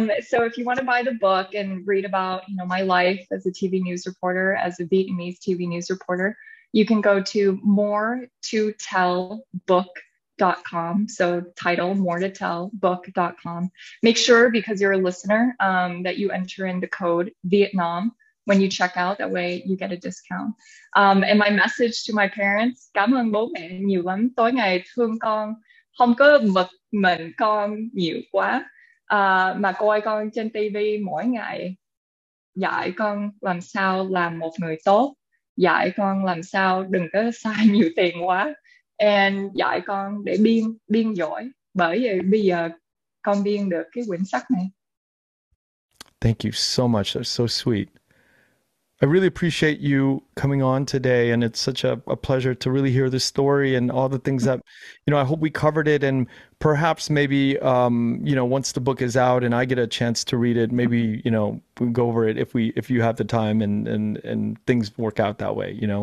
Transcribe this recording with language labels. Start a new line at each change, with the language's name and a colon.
English: So if you want to buy the book and read about, you know, my life as a TV news reporter, as a Vietnamese TV news reporter, you can go to moretotellbook.com. So title moretotellbook.com. Make sure, because you're a listener, that you enter in the code Vietnam when you check out. That way you get a discount. And my message to my parents,
Vietnamese: cảm ơn bố mẹ nhiều lắm, tối ngày thương con, không có bực mình con nhiều quá, mà coi con trên TV mỗi ngày, dạy con làm sao làm một người tốt, dạy con làm sao đừng có xài nhiều tiền quá, and dạy con để biên biên giỏi, bởi vì bây giờ con biên được cái quyển sách này.
English: Thank you so much. That's so sweet. I really appreciate you coming on today, and it's such a pleasure to really hear this story and all the things that, I hope we covered it, and perhaps maybe once the book is out and I get a chance to read it, maybe we go over it if you have the time and things work out that way,